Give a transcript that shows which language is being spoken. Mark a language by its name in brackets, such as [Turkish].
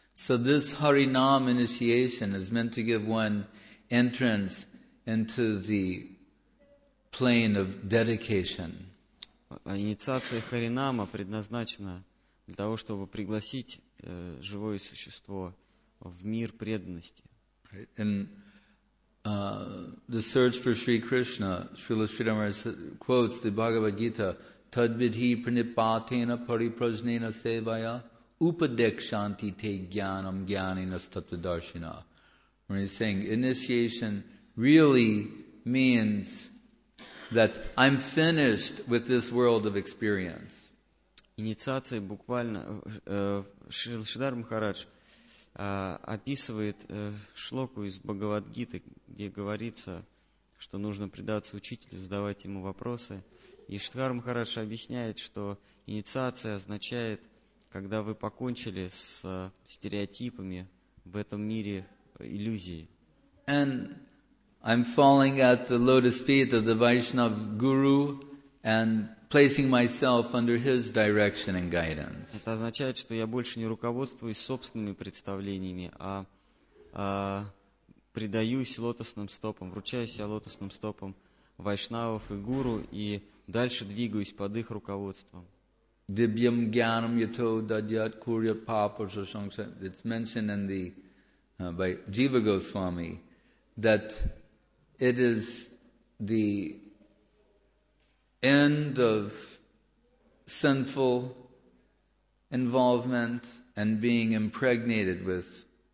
[English] So this Harinam initiation is meant to give one entrance into the plane of dedication. [Russian] Инициация Харинама предназначена для того, чтобы пригласить живое существо в мир преданности. [English] In the search for Sri Krishna, Srila Sridhara quotes the Bhagavad Gita, [Sanskrit] Tadvidhi pranipatena pariprajnena sevaya upadekshanti te jnanam jnaninas tattvadarshina. [English] When he's saying initiation really means that I'm finished with this world of experience. [Russian] Инициация буквально, Шрила Шридхара Махарадж описывает шлоку из Бхагавад-гиты, где говорится, что нужно предаться учителю, задавать ему вопросы. И Шридхара Махарадж объясняет, что инициация означает, когда вы покончили с стереотипами в этом мире иллюзии. [English] And I'm falling at the lotus feet of the Vaishnav Guru and placing myself under his direction and guidance. [Russian] Это означает, что я больше не руководствуюсь собственными представлениями, а предаюсь лотосным стопам, вручаю себя лотосным стопам вайшнавов и гуру и дальше двигаюсь под их руководством. [Sanskrit] Дибьям гьянам ято дадьят курьят папа шашанкша. [English] It's mentioned in the by Jiva Goswami that it is the end of sinful involvement and being impregnated with